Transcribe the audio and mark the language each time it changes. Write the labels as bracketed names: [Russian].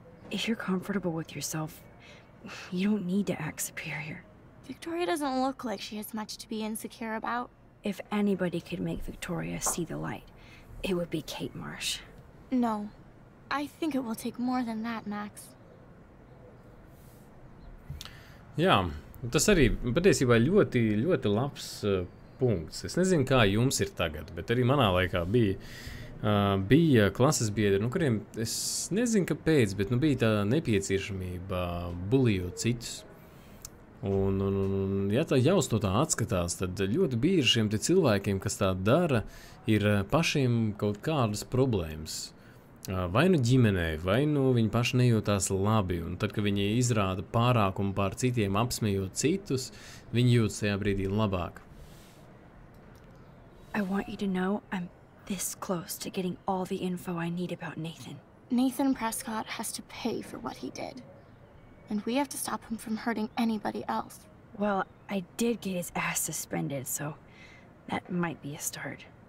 [English] If you're comfortable with yourself, you don't need to act superior. Victoria doesn't look like she has much to be insecure about. If anybody could make Victoria see the light, it would be Kate Marsh. No. I think it will take more than that, Max. [Latvian] Jā, tas arī patiesībā ļoti, ļoti labs punkts. Es nezinu, kā jums ir tagad, bet arī manā laikā bija klases biedri, kuriem es nezinu, kāpēc, bet bija tā nepieciešamība bulijot citus. Un ja tā jau to tā atskatās, tad ļoti bieži šiem te cilvēkiem, kas tā dara, ir pašiem kaut kādas problēmas. Vai nu ģimenē, vai nu viņi paši nejūtās labi, un tad, kad viņi izrāda pārākumu pār citiem, apsmējot citus, viņi jūtas tajā brīdī labāk. [English] I want you to know I'm this close to getting all the info I need about Nathan. Nathan Prescott has to pay for what he did. And we have to stop him from hurting anybody else. Well, I did get his ass suspended, so that might be a start.